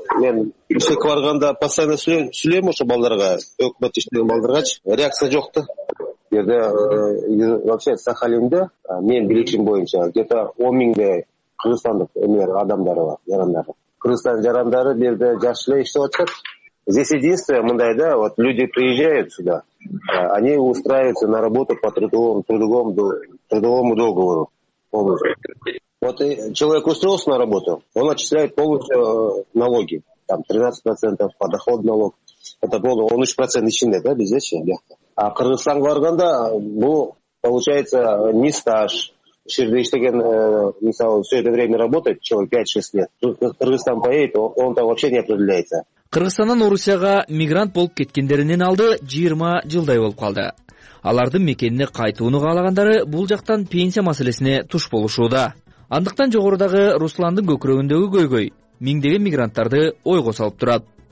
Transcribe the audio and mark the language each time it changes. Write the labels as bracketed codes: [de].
[ky] Мен ИШКга барганда постоянно сүйлөйм ошо балдарга, өкмөт иштеген балдаргачы, реакция жокту. Жерде вообще Сахалинде мен билишим боюнча [ru] где то [ky] 10 000 кыргызстандык эмелер адамдары бар, жарандары. Кыргызстан жарандары бирде жаш эле иштеп атышат. [ru] Здесь единственное [ky] мындай да, [ru] вот люди приезжают сюда, они устраиваются на работу по трудовому договору полностью. Вот человек устроился на работу, он отчисляет полностью налоги, там 13% подоходный налог, это было 13% [ky] ичинде, да, бизде чи? А Кыргызстанга барганда бу [ru] получается не стаж. [ky] Ширде иштеген, мисалы, [ru] все это время работает человек 5-6 лет. Кыргызстан поедет, он там вообще не определяется. [ky] Кыргызстандан Орусияга мигрант болуп кеткендеринен алды 20 жылдай болуп калды. Алардын мекенине кайтууну каалагандары бул жактан пенсия маселесине туш болушууда. Андыктан жогорудагы Русландын көкүрөгүндөгү көйгөй миңдеген мигранттарды ойго салып турат.